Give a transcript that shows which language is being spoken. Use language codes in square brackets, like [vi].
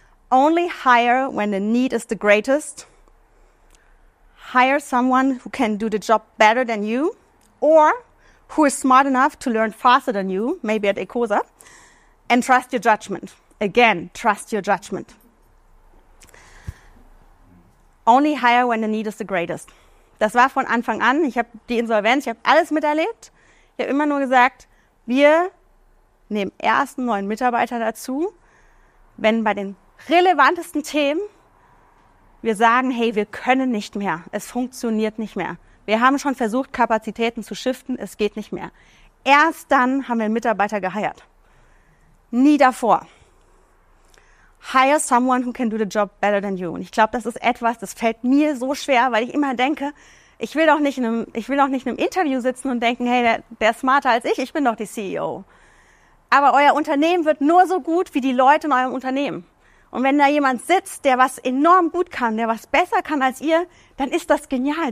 [en] Only hire when the need is the greatest. Hire someone who can do the job better than you or who is smart enough to learn faster than you, maybe at Ecosa, and trust your judgment. Again, trust your judgment. Only hire when the need is the greatest. [de] Das war von Anfang an. Ich habe die Insolvenz, ich habe alles miterlebt. Ich habe immer nur gesagt, wir nehmen erst einen neuen Mitarbeiter dazu, wenn bei den relevantesten Themen wir sagen, hey, wir können nicht mehr. Es funktioniert nicht mehr. Wir haben schon versucht, Kapazitäten zu shiften. Es geht nicht mehr. Erst dann haben wir einen Mitarbeiter geheiert. Nie davor. [en] Hire someone who can do the job better than you. [de] Und ich glaube, das ist etwas, das fällt mir so schwer, weil ich immer denke, ich will doch nicht in einem Interview sitzen und denken, hey, der ist smarter als ich. Ich bin doch die CEO. Aber euer Unternehmen wird nur so gut wie die Leute in eurem Unternehmen. Und wenn da jemand sitzt, der was enorm gut kann, der was besser kann als ihr, dann ist das genial.